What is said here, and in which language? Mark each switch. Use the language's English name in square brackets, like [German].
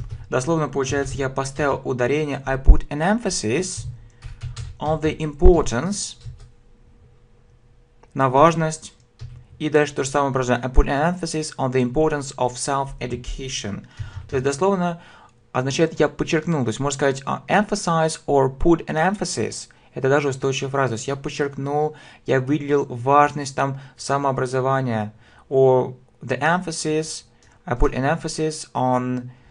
[Russian] Дословно получается, я поставил ударение. [English] I put an emphasis on the importance. [Russian] На важность. И дальше то же самое образование. [English] I put an emphasis on the importance of self-education. [Russian] То есть, дословно означает, я подчеркнул. То есть, можно сказать, [English] emphasize or put an emphasis. [Russian] Это даже устойчивая фраза. То есть я подчеркнул, я выделил важность там самообразования. [English] Or the emphasis, I put an emphasis on,